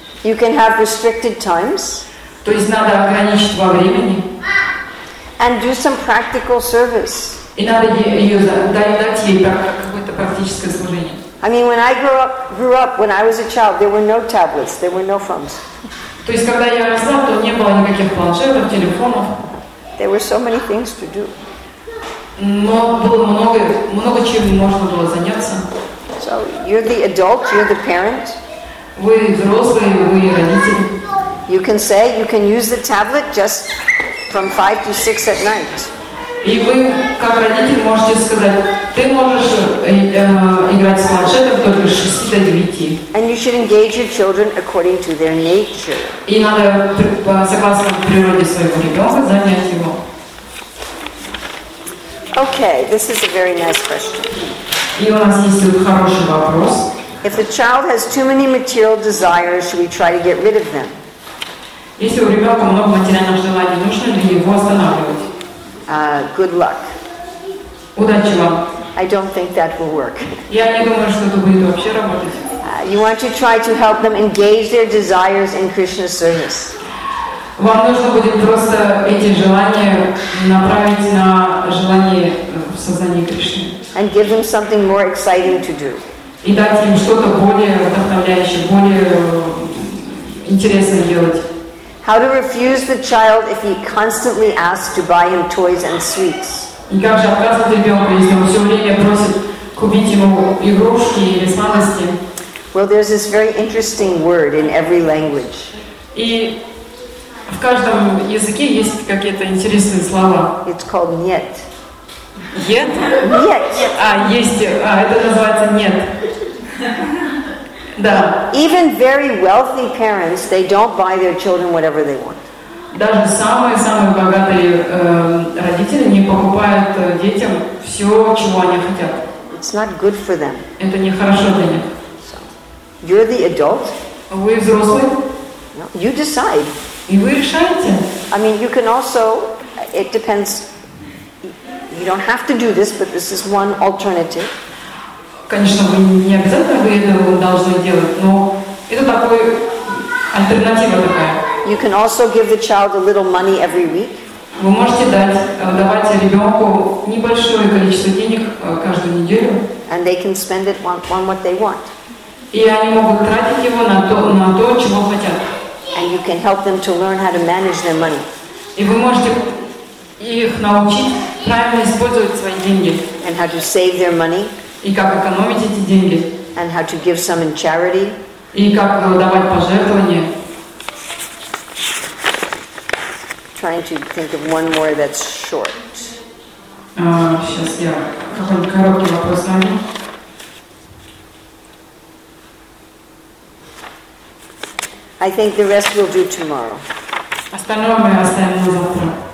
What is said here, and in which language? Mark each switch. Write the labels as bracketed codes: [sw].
[en] You can have restricted times. [ru] То есть надо ограничить во времени. [en] And do some practical service. [ru] И надо дать ей какое-то практическое служение. [en] I mean, when I grew up, when I was a child, there were no tablets, there were no phones. [ru] То есть когда я росла, то не было никаких планшетов, телефонов. [en] There were so many things to do. [ru] Но было много чем можно было заняться. [en] So you're the adult, you're the parent. [ru] Вы взрослые, вы родители. [en] You can say you can use the tablet just from 5 to 6 at night. [ru] И вы, как родители, можете сказать, ты можешь играть с планшетом только с 6 до 9. [en] And you should engage your children according to their nature. [ru] И надо согласно природе своего ребенка занять его. [en] Okay, this is a very nice question. [ru] И у нас есть тут хороший вопрос. [en] If the child has too many material desires, should we try to get rid of them? [ru] Если у ребенка много материальных желаний, нужно ли его останавливать? [en] Good luck. [ru] Удачи вам. [en] I don't think that will work. [ru] Я не думаю, что это будет вообще работать. [en] You want to try to help them engage their desires in Krishna's service. [ru] Вам нужно будет просто эти желания направить на желание в сознании Кришны. [en] And give them something more exciting to do. [ru] И дать им что-то более вдохновляющее, более интересное делать. [en] How to refuse the child if he constantly asks to buy him toys and sweets? [ru] И как же отказать ребенку, если он все время просит купить ему игрушки или сладости? [en] Well, there's this very interesting word in every language. [ru] И в каждом языке есть какие-то интересные слова. [en] It's called нет. [ru] Нет? Нет. А, есть. А, это называется нет. Да. [en] Even very wealthy parents, they don't buy their children whatever they want. [ru] Даже самые-самые богатые родители не покупают детям все, чего они хотят. [en] It's not good for them. [ru] Это не хорошо для них. [en] You're the adult. [ru] Вы взрослый. [en] No, you decide. [ru] И вы решаете. [en] I mean, you can also. It depends. You don't have to do this, but this is one alternative. [ru] Конечно, вы не обязательно вы это должны делать, но это такой альтернатива такая. [en] You can also give the child a little money every week. [ru] Вы можете давать ребенку небольшое количество денег каждую неделю. [en] And they can spend it on what they want. [ru] И они могут тратить его на то, чего хотят. [en] And you can help them to learn how to manage their money. [ru] И вы можете их научить правильно использовать свои деньги. [en] And how to save their money. [ru] И как экономить эти деньги. [en] And how to give some in charity. [ru] И как давать пожертвования. [en] Trying to think of one more that's short. [ru] Сейчас я какой-нибудь короткий вопрос задам. [en] I think the rest we'll do tomorrow. [ru] Остальное мы оставим на завтра.